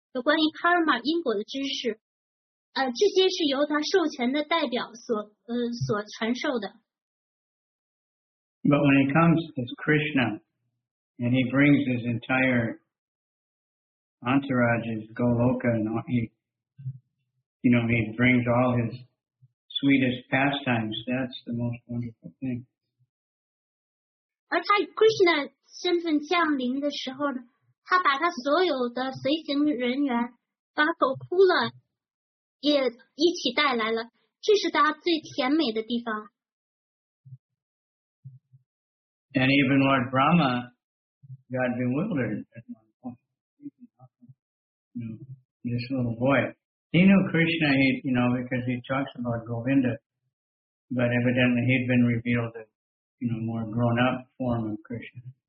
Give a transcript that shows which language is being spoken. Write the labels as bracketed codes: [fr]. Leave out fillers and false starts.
[zh] 有关于 karma 因果的知识，这些是由他授权的代表所传授的。 [en] But when he comes as Krishna, and he brings his entire entourage, his Goloka, and he brings all his sweetest pastimes. That's the most wonderful thing. [zh] 而他 Krishna 身份降临的时候呢？他把他所有的随行人员把狗哭了也一起带来了，这是他最甜美的地方。 [en] And even Lord Brahma got bewildered at one point. This little boy, he knew Krishna, because he talks about Govinda, but evidently he'd been revealed a more grown up form of Krishna.